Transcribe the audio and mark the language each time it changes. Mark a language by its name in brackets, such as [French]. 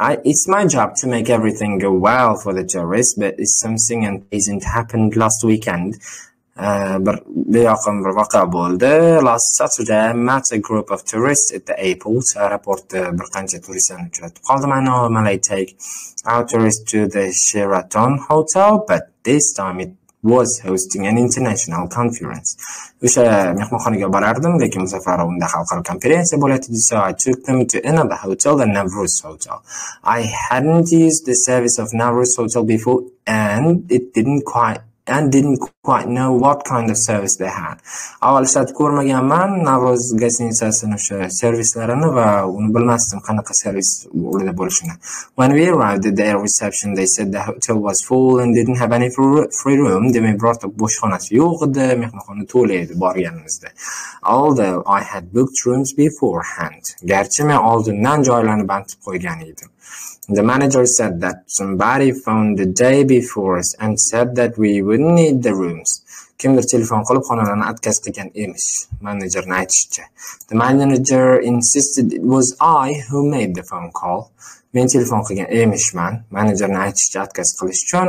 [English] It's my job to make everything go well for the tourists, but it's something and isn't happened last weekend. [Uzbek] Bir beyoqim bir voqea bo'ldi. [English] Last Saturday I met a group of tourists at the airport. [Uzbek] Aeroportda bir qancha turistlarni uchratib qoldim. [English] I normally take our tourists to the Sheraton Hotel, but this time it was hosting an international conference. [Uzbek] O'sha mehmonxonaga borardim, lekin bu safar unda xalqaro konferensiya bo'ladi desa, [English] I took them to another hotel, the Navruz Hotel. I hadn't used the service of Navruz Hotel before and didn't quite know what kind of service they had. [Uzbek] Avval ishlatib ko'rmaganman Navruz gostinisasini o'sha servislarini va uni bilmasdim qanaqa servis ularda bo'lishini. [English] When we arrived at the reception, they said the hotel was full and didn't have any free room. They brought up [Uzbek] bo'sh xonasi yo'q edi, mehmonxona to'la edi borganimizda. [English] Although I had booked rooms beforehand. [Uzbek] Garchi men oldindan joylarni bandib qo'ygan edim. [English] The manager said that somebody phoned the day before us and said that we wouldn't need the rooms. [Uzbek] Kimdir telefon qilib xonalarni atkazgan emish, managerni aytishicha. [English] The manager insisted it was I who made the phone call. [Uzbek] Men telefon qilgan emishman, managerni aytishicha atkaz qilish uchun.